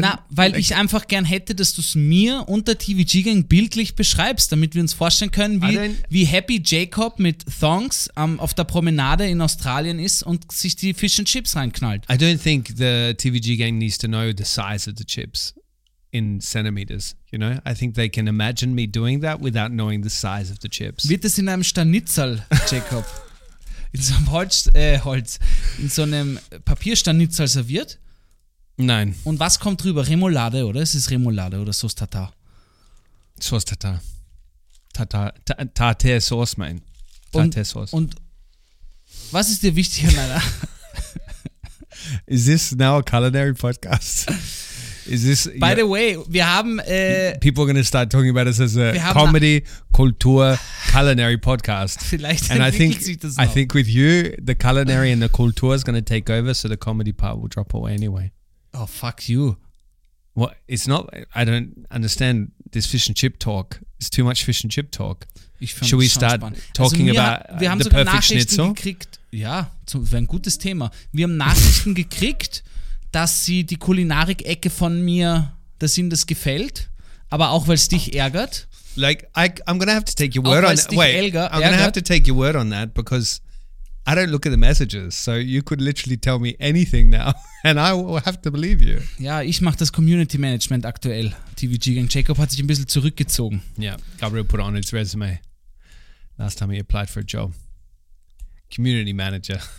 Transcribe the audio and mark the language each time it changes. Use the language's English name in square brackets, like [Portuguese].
[German] Na, weil like, ich einfach gern hätte, dass du es mir und der TVG Gang bildlich beschreibst, damit wir uns vorstellen können, wie happy Jacob mit Thongs auf der Promenade in Australien ist und sich die Fish and Chips reinknallt. [English] I don't think the TVG Gang needs to know the size of the chips in centimeters, you know? I think they can imagine me doing that without knowing the size of the chips. [German] Wird es in einem Stanitzel, Jacob? In so einem Holz, in so einem Papierstanitzel serviert? Nein. Und was kommt drüber? Remoulade, oder? Es ist Remoulade oder Sauce Tartar? Sauce Tartar. Tartar Sauce, mein. Tartar Sauce. Und was ist dir wichtiger, Alter? [English] Is this now a culinary podcast? Is this, [German] by the way, wir haben... [English] people are going to start talking about this as a comedy, Kultur, culinary podcast. [German] Vielleicht [English] and I think with you, the culinary and the Kultur is going to take over, so the comedy part will drop away anyway. Oh, fuck you. What? It's not... I don't understand this fish and chip talk. It's too much fish and chip talk. Should we start talking about the perfect schnitzel? [German] Wir haben sogar Nachrichten gekriegt. Ja, das wäre ein gutes Thema. Wir haben Nachrichten gekriegt, dass sie die Kulinarik-Ecke von mir, dass ihnen das gefällt, aber auch, weil es dich ärgert. [English] Like, I'm going to have to take your word on that. Wait, I'm going to have to take your word on that because I don't look at the messages. So you could literally tell me anything now and I will have to believe you. [German] Ja, ich mache das Community Management aktuell. TVG Gang. Jacob hat sich ein bisschen zurückgezogen. [English] Yeah, Gabriel put it on his resume last time he applied for a job. Community manager.